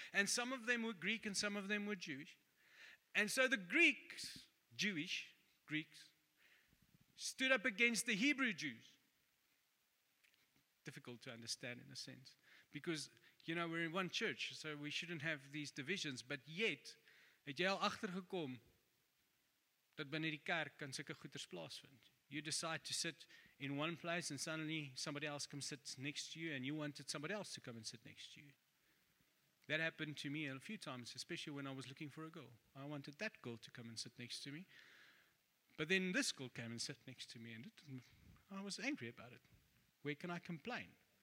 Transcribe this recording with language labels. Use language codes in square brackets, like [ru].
[en] And some of them were Greek and some of them were Jewish. And so the Greeks, Jewish Greeks, stood up against the Hebrew Jews. Difficult to understand in a sense, because, you know, we're in one church, so we shouldn't have these divisions. But yet, [af] het jy al agtergekom dat binne die kerk kan sulke goeters plaasvind? [en] You decide to sit in one place and suddenly somebody else comes sit next to you and you wanted somebody else to come and sit next to you. That happened to me a few times, especially when I was looking for a girl. I wanted that girl to come and sit next to me. But then this girl came and sat next to me and I was angry about it. Where can I complain?